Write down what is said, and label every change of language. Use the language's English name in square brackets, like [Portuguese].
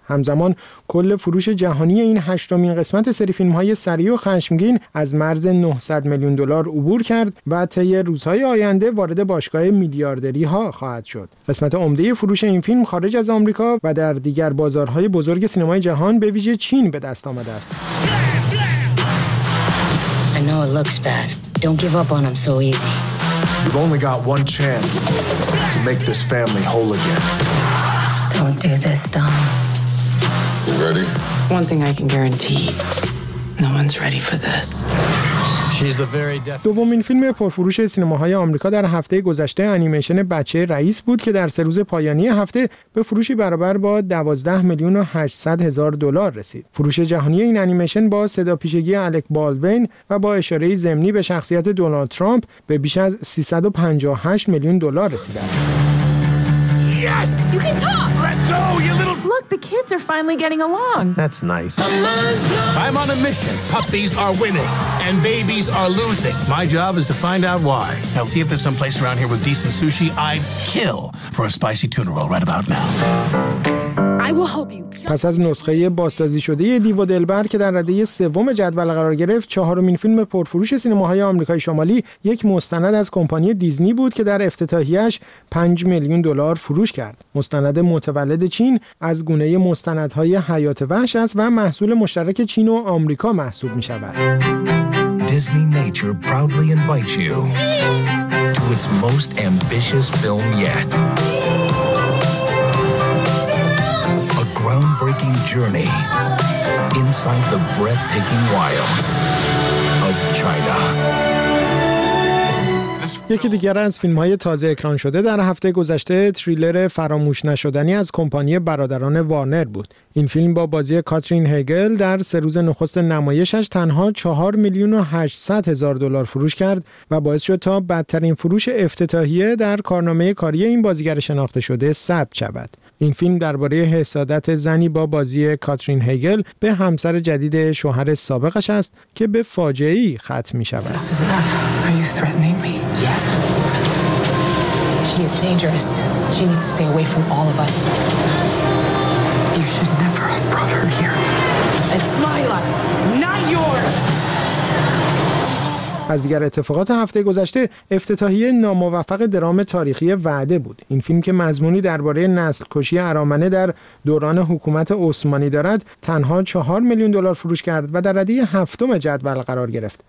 [Persian] همزمان کل فروش جهانی این هشتمین قسمت سری فیلم‌های سریع و خشمگین از مرز 900 میلیون دلار عبور کرد و طی روزهای آینده وارد باشگاه میلیاردری ها خواهد شد. قسمت عمده فروش این فیلم خارج از آمریکا و در دیگر بازارهای بزرگ سینمای جهان به ویژه چین به دست آمده است. [English] I know it looks bad. Don't give up on him so easy. You've only got one chance to make this family whole again. Don't do this, Dom. You ready? One thing I can guarantee. No one's ready for this. [Persian] دومین فیلم پرفروش سینماهای آمریکا در هفته گذشته انیمیشن بچه رئیس بود که در سه روز پایانی هفته به فروشی برابر با 12 میلیون و 800 هزار دلار رسید. فروش جهانی این انیمیشن با صداپیشگی الک بالوین و با اشاره ضمنی به شخصیت دونالد ترامپ به بیش از 358 میلیون دلار رسیده است. [English] The kids are finally getting along. That's nice. I'm on a mission. Puppies are winning and babies are losing. My job is to find out why. Now see if there's some place around here with decent sushi. I'd kill for a spicy tuna roll right about now. I will help you. [Persian] پس از نسخه بازسازی شده دیو و دلبر که در رده سوم جدول قرار گرفت، چهارمین فیلم پرفروش سینماهای آمریکای شمالی یک مستند از کمپانی دیزنی بود که در افتتاحیه‌اش 5 میلیون دلار فروش کرد. مستند متولد چین از گونه مستندهای حیات وحش است و محصول مشترک چین و آمریکا محسوب می‌شود. [English] Disney Nature proudly invites you to its most ambitious film yet. Groundbreaking journey inside the breathtaking wilds of China. [Persian] یکی دیگر از فیلم‌های تازه اکران شده در هفته گذشته تریلر فراموش نشدنی از کمپانی برادران وارنر بود. این فیلم با بازی کاترین هگل در سه روز نخست نمایشش تنها 4 میلیون و 800 هزار دلار فروش کرد و باعث شد تا بدترین فروش افتتاحیه در کارنامه کاری این بازیگر شناخته شده ثبت شود. این فیلم درباره حسادت زنی با بازی کاترین هگل به همسر جدید شوهر سابقش است که به فاجعه‌ای ختم می‌شود. [English] Yes. She is dangerous. She needs to stay away from all of us. You should never have brought her here. It's my life, not yours. [Persian] از دیگر اتفاقات هفته گذشته، افتتاحیه ناموفق درام تاریخی وعده بود. این فیلم که مضمونی درباره نسل کشی ارامنه در دوران حکومت عثمانی دارد، تنها 4 میلیون دلار فروش کرد و در رده هفتم جدول قرار گرفت.